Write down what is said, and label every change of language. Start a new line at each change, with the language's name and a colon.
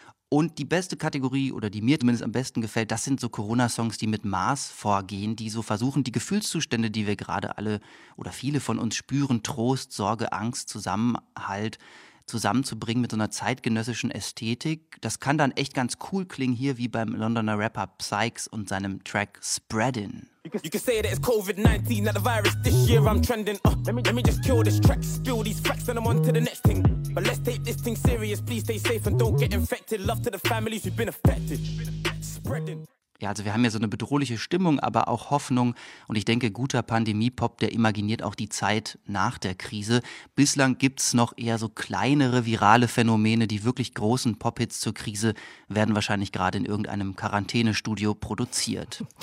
German: Und die beste Kategorie, oder die mir zumindest am besten gefällt, das sind so Corona-Songs, die mit Maß vorgehen, die so versuchen, die Gefühlszustände, die wir gerade alle oder viele von uns spüren, Trost, Sorge, Angst, Zusammenhalt, zusammenzubringen mit so einer zeitgenössischen Ästhetik. Das kann dann echt ganz cool klingen hier, wie beim Londoner Rapper Psykes und seinem Track Spreadin'.
English: You can say that it's COVID-19, not the virus. This year I'm trending. Let me just kill this track, spill these facts, and I'm on to the next thing. But let's take this thing serious. Please stay safe and don't get infected. Love to the families who've been affected. Spreading.
German: Ja, also wir haben ja so eine bedrohliche Stimmung, aber auch Hoffnung. Und ich denke, guter Pandemie-Pop, der imaginiert auch die Zeit nach der Krise. Bislang gibt's noch eher so kleinere virale Phänomene. Die wirklich großen Pop-Hits zur Krise werden wahrscheinlich gerade in irgendeinem Quarantänestudio produziert.